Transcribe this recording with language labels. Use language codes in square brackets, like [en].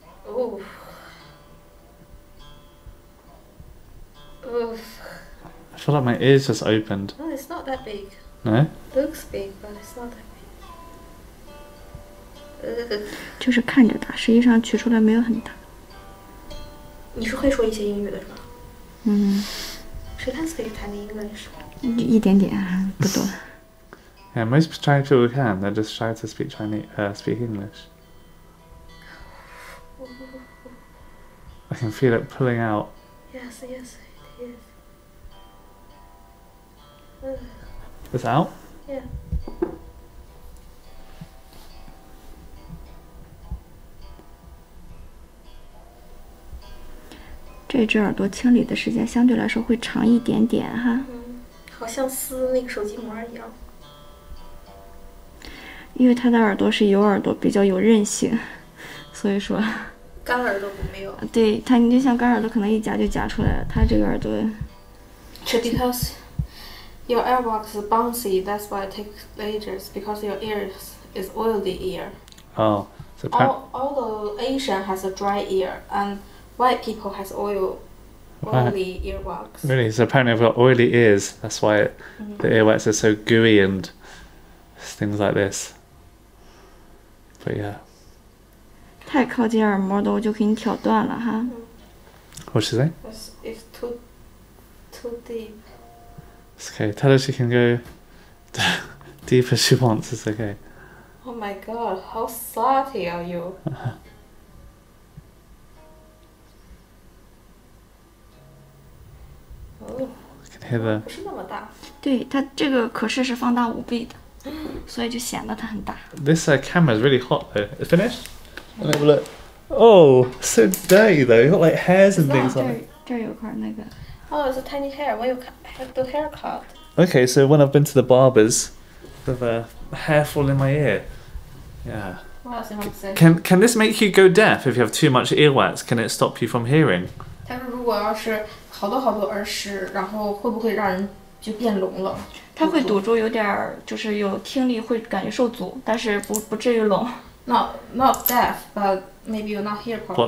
[en] Oof. I feel like my ears just opened. No, it's not that big. No? It looks big, but it's not that big. [zh] 就是看着大，实际上取出来没有很大。你是会说一些英语的是吧？嗯。 [en] She can speak tiny English. [zh] 一点点，不多。 [en] Yeah, most Chinese people can. They're just shy to speak Chinese, speak English. I can feel it pulling out. Yes, it is. Is it out? Yeah. [zh] 这只耳朵清理的时间相对来说会长一点点哈。嗯，好像撕那个手机膜一样。因为他的耳朵是有耳朵，比较有韧性，所以说。干耳朵没有。对他，你就像干耳朵，可能一夹就夹出来了。他这个耳朵。 [en] So because your earwax is bouncy, that's why it takes ages. Because your ears is oily ear. Oh, so. All the Asian has a dry ear and. White people has oily earwax. Really? So apparently I've got oily ears. That's why the earwax is so gooey and things like this. But yeah. [zh] 太靠近耳膜的我就给你挑断了哈。 [en] What's she saying? It's too deep. It's okay. Tell her she can go deep as she wants. It's okay. Oh my god, how salty are you? Oh, I can hear the... [zh] 不是那么大。对，它这个可视是放大五倍的。哦、 oh.。 所以就显得它很大。 [en] This camera is really hot though. It's finished? Let me have a look. Oh, so dirty though. You've got like hairs and things on it. [zh] 这儿有块那个。 [en] Oh, it's a tiny hair. When you have the haircut. Okay, so when I've been to the barber's, with a hair fall in my ear. Yeah. Can this make you go deaf if you have too much earwax? Can it stop you from hearing? [zh] 他说如果要是好多好多耳屎，然后会不会让人就变聋了？他会堵住，有点就是有听力会感觉受阻，但是不至于聋。 [en] Not deaf, but maybe you not hear properly.